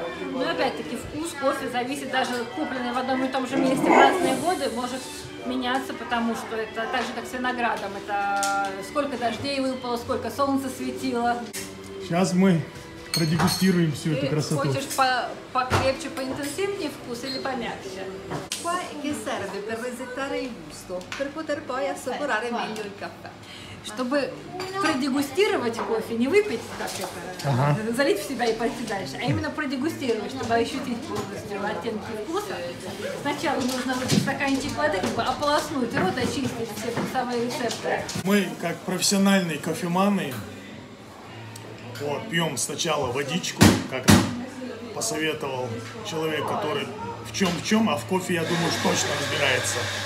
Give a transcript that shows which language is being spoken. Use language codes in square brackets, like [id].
[ru] Но опять-таки вкус кофе зависит, даже купленный в одном и том же месте в разные годы, может меняться, потому что это так же, как с виноградом. Это сколько дождей выпало, сколько солнца светило. Сейчас мы продегустируем всю эту красоту. Хочешь покрепче, поинтенсивнее вкус или помягче? [it] Qua che serve per resettare il gusto, per poter poi assaporare meglio il caffè. [ru] Чтобы продегустировать кофе, не выпить, как это, залить в себя и пойти дальше, а именно продегустировать, чтобы ощутить полностью оттенки вкуса, сначала нужно выпить стаканчик воды, как бы ополоснуть рот, очистить все эти самые рецепторы. Мы, как профессиональные кофеманы, вот, пьем сначала водичку, как посоветовал человек, который в чем, а в кофе, я думаю, точно разбирается.